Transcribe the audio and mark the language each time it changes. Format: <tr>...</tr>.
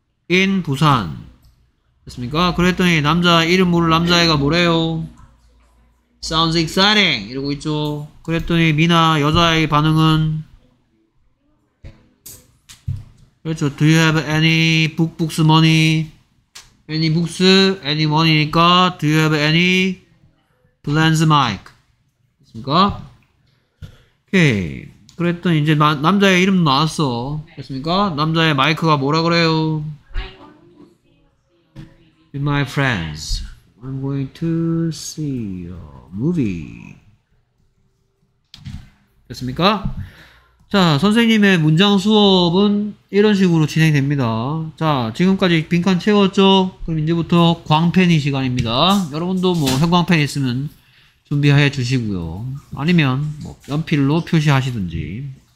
<ko>In 부산. 됐습니까? 그랬더니 남자 이름 모를 남자애가 뭐래요?</ko> <en>Sounds exciting</en> <ko>이러고 있죠. 그랬더니 미나 여자애의 반응은 그렇죠.</ko> <en>Do you have any books money? Any books? Any money니까 Do you have any plans, Mike?</en> <ko>됐습니까? 오케이. 그랬더니 이제 남자애 이름 나왔어. 됐습니까? 남자애 마이크가 뭐라 그래요?</ko> <en>With my friends, I'm going to see a movie.</en> <ko>됐습니까? 자, 선생님의 문장 수업은 이런 식으로 진행됩니다. 자, 지금까지 빈칸 채웠죠? 그럼 이제부터 광팬이 시간입니다. 여러분도 뭐 형광펜 있으면 준비해 주시고요. 아니면 뭐 연필로 표시하시든지.</ko>